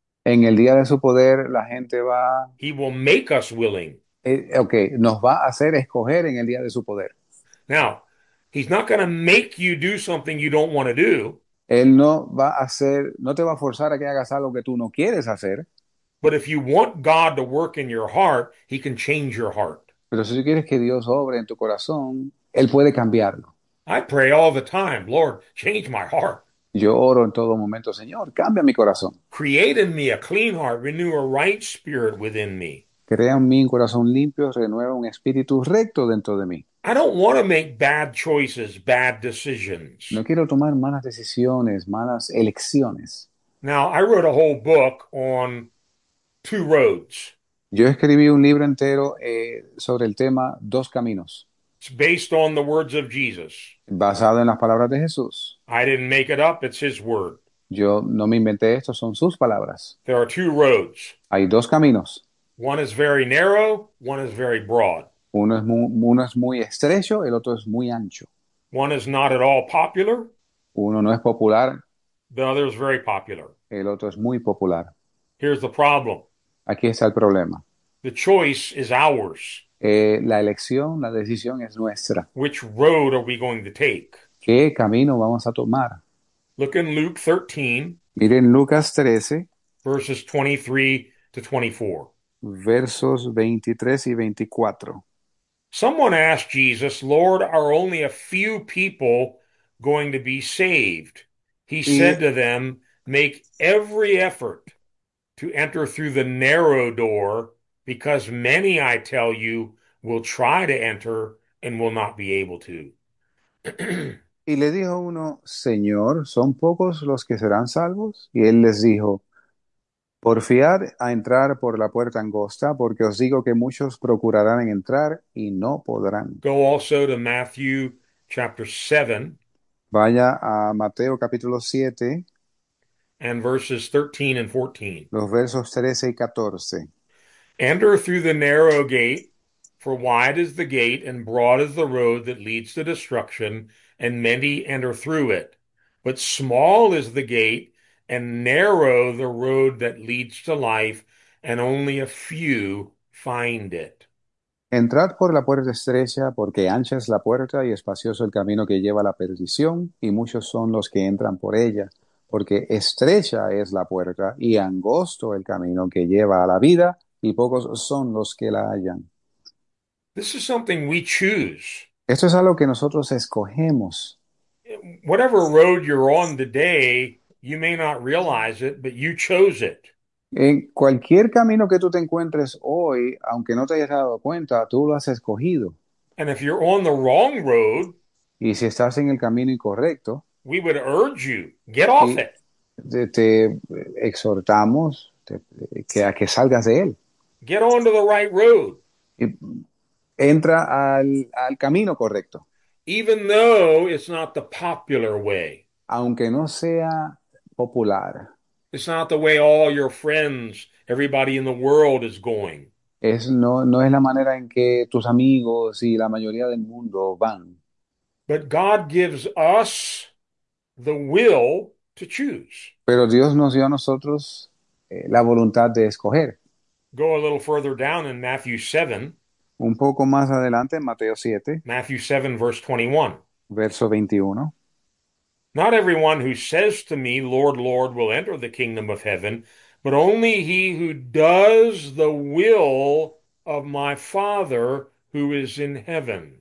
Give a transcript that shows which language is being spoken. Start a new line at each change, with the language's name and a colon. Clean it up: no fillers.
Spanish: En el día de su poder, la gente va.
English: he will make us willing.
Spanish: Nos va a hacer escoger en el día de su poder.
English: Now, he's not going to make you do something you don't want to do.
Spanish: Él no va a hacer, no te va a forzar a que hagas algo que tú no quieres hacer.
English: But if you want God to work in your heart, he can change your heart.
Spanish: Pero si tú quieres que Dios obre en tu corazón, Él puede cambiarlo.
English: I pray all the time, Lord, change my heart.
Spanish: Yo oro en todo momento, Señor, cambia mi corazón.
English: Create in me a clean heart, renew a right spirit within me.
Spanish: Crea en mí un corazón limpio, renueva un espíritu recto dentro de mí.
English: I don't want to make bad choices, bad decisions.
Spanish: No quiero tomar malas decisiones, malas elecciones.
English: Now, I wrote a whole book on two roads.
Spanish: Yo escribí un libro entero sobre el tema Dos Caminos,
English: It's based on the words of Jesus.
Spanish: basado en las palabras de Jesús.
English: I didn't make it up, it's his word.
Spanish: Yo no me inventé esto, son sus palabras.
English: There are two roads.
Spanish: Hay dos caminos.
English: One is very narrow, one is very broad.
Spanish: Uno es muy estrecho, el otro es muy ancho.
English: One is not at all popular.
Spanish: Uno no es popular,
English: The other is very popular.
Spanish: el otro es muy popular.
English: Here's the problem.
Spanish: Aquí está el problema.
English: The choice is ours.
Spanish: La elección, la decisión es nuestra.
English: Which road are we going to take?
Spanish: ¿Qué camino vamos a tomar?
English: Look in Luke 13,
Spanish: Miren Lucas 13,
English: verses 23 to 24.
Spanish: versos 23 y 24.
English: Someone asked Jesus, Lord, are only a few people going to be saved? He said to them, make every effort to enter through the narrow door, because many, I tell you, will try to enter and will not be able to.
Spanish: Y le dijo uno, Señor, ¿son pocos los que serán salvos? Y él les dijo, porfiad a entrar por la puerta angosta, porque os digo que muchos procurarán entrar y no podrán.
English: Go also to Matthew chapter 7
Spanish: Vaya a Mateo capítulo 7,
English: and verses 13 and 14.
Spanish: los versos 13 y 14.
English: Enter through the narrow gate, for wide is the gate and broad is the road that leads to destruction, and many enter through it. But small is the gate and narrow the road that leads to life, and only a few find it.
Spanish: Entrad por la puerta estrecha, porque ancha es la puerta y espacioso el camino que lleva a la perdición, y muchos son los que entran por ella, porque estrecha es la puerta y angosto el camino que lleva a la vida, y pocos son los que la hallan.
English: This is something we choose.
Spanish: Esto es algo que nosotros escogemos.
English: Whatever road you're on today, you may not realize it, but you chose it.
Spanish: En cualquier camino que tú te encuentres hoy, aunque no te hayas dado cuenta, tú lo has escogido.
English: And if you're on the wrong road,
Spanish: Y si estás en el camino incorrecto,
English: we would urge you, get off it.
Spanish: te exhortamos a que salgas de él.
English: Get onto the right road.
Spanish: Y entra al camino correcto.
English: Even though it's not the popular way,
Spanish: Aunque no sea popular.
English: it's not the way all your friends, everybody in the world is going.
Spanish: No es la manera en que tus amigos y la mayoría del mundo van.
English: But God gives us the will to choose.
Spanish: Pero Dios nos dio a nosotros la voluntad de escoger.
English: Go a little further down in Matthew 7.
Spanish: Un poco más adelante, en Mateo 7,
English: Matthew 7, verse 21.
Spanish: verso 21.
English: Not everyone who says to me, Lord, Lord, will enter the kingdom of heaven, but only he who does the will of my Father who is in heaven.